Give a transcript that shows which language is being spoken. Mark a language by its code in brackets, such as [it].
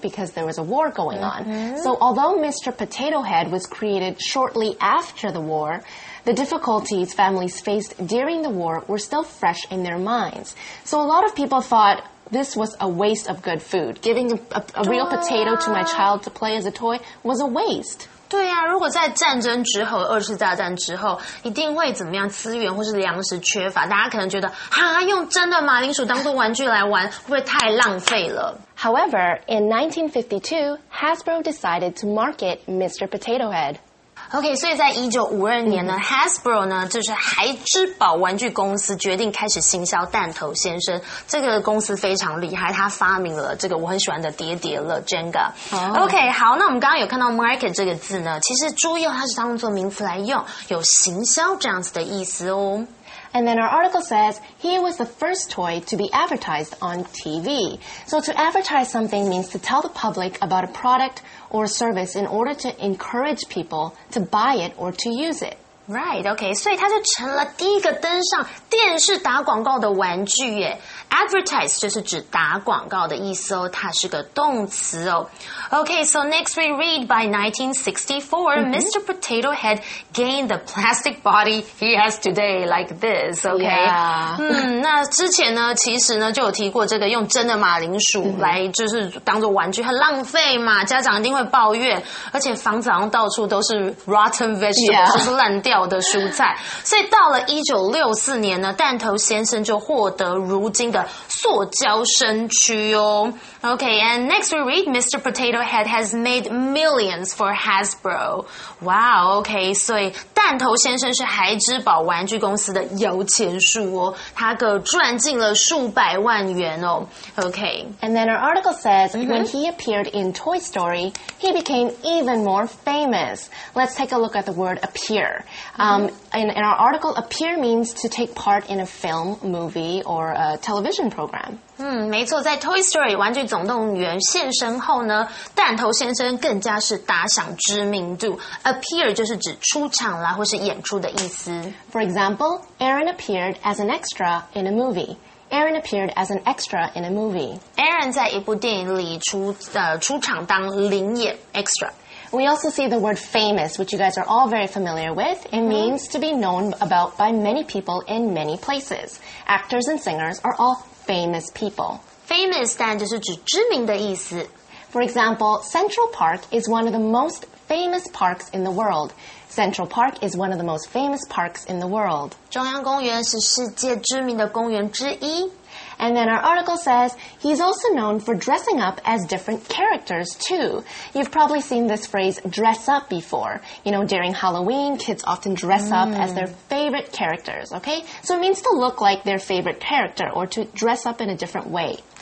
[en] Because there was a war going on. So although Mr. Potato Head was created shortly after the war, the difficulties families faced during the war were still fresh in their minds. So a lot of people thought,This was a waste of good food. Giving a real potato to my child to play as a toy was a waste. [zh] 对啊，如果在战争之后，二次大战之后，一定会怎么样？资源或是粮食缺乏，大家可能觉得，哈，用真的马铃薯当做玩具来玩，会不会太浪费了？ [en] However, in 1952, Hasbro decided to market Mr. Potato Head. [zh] Okay, 所以在1952年呢、Hasbro 呢就是孩之宝玩具公司决定开始行销弹头先生。这个公司非常厉害，他发明了这个我很喜欢的叠叠乐 Jenga.、Okay, 好，那我们刚刚有看到 market 这个字呢，其实猪肉它是当作名词来用，有行销这样子的意思哦。 [en] And then our article says, he was the first toy to be advertised on TV. So to advertise something means to tell the public about a product or a service in order to encourage people to buy it or to use it. Right, okay. [zh] 所以它就成了第一个登上电视打广告的玩具耶。 Advertise 就是指打广告的意思哦，它是个动词哦。 [en] Okay, so next we read, by 1964,、Mr. Potato Head gained the plastic body he has today, like this, okay? Yeah. [zh] 那之前呢，其实呢，就有提过这个用真的马铃薯来就是当作玩具，很浪费嘛，家长一定会抱怨，而且房子好像到处都是 [en] rotten vegetables,、 [zh] 就是烂掉的蔬菜。所以到了1964年呢，弹头先生就获得如今的塑胶身躯哦。 [en] Okay, and next we read, Mr. Potato Head has made millions for Hasbro. [zh] Wow, okay, 所以弹头先生是孩之宝玩具公司的摇钱树哦，他可赚进了数百万元哦。 [en] Okay. And then our article says,、when he appeared in Toy Story, he became even more famous. Let's take a look at the word appear. In our article, appear means to take part in a film, movie, or a television program. [zh] 没错，在 Toy Story 玩具总动员现身后呢，弹头先生更加是打响知名度。 Appear 就是指出场啦，或是演出的意思。 [en] For example, Aaron appeared as an extra in a movie. Aaron appeared as an extra in a movie. [zh] Aaron 在一部电影里出场当零演 extra. [en] We also see the word famous, which you guys are all very familiar with. It means to be known about by many people in many places. Actors and singers are all famous people. [zh] Famous 但就是指知名的意思。 [en] For example, Central Park is one of the most famous parks in the world. Central Park is one of the most famous parks in the world. [zh] 中央公园是世界知名的公园之一。 [en] And then our article says, he's also known for dressing up as different characters, too. You've probably seen this phrase, dress up, before. You know, during Halloween, kids often dress up as their favorite characters, okay? So it means to look like their favorite character or to dress up in a different way.